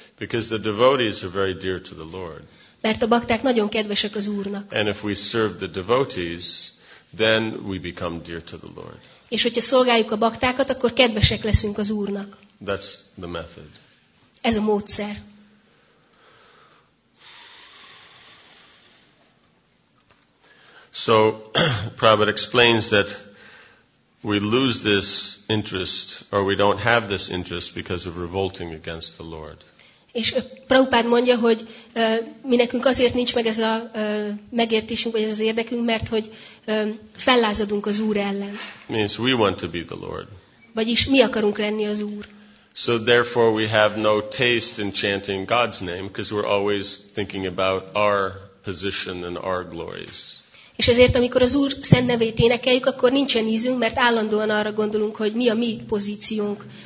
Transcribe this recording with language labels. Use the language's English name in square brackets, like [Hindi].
[English] Because the devotees are very dear to the Lord. [Hungarian] Mert a bakták nagyon kedvesek az Úrnak. [English] And if we serve the devotees, then we become dear to the Lord. [Hungarian] És hogyha szolgáljuk a baktákat, akkor kedvesek leszünk az Úrnak. [English] That's the method. [Hungarian] Ez a módszer. [English] So, Prabhupada explains that we lose this interest, or we don't have this interest because of revolting against the Lord. [Hungarian] És Prabhupád mondja, hogy mi nekünk azért nincs meg ez a megértésünk, vagy ez az érdekünk, mert hogy fellázadunk az Úr ellen. [English] Means we want to be the Lord. [Hungarian] Vagyis mi akarunk lenni az Úr. [English] So therefore we have no taste in chanting God's name, because we're always thinking about our position and our glories. [Hungarian] És ezért, amikor az Úr szent nevét énekeljük, akkor nincsen ízünk, mert állandóan arra gondolunk, hogy mi a mi pozíciónk.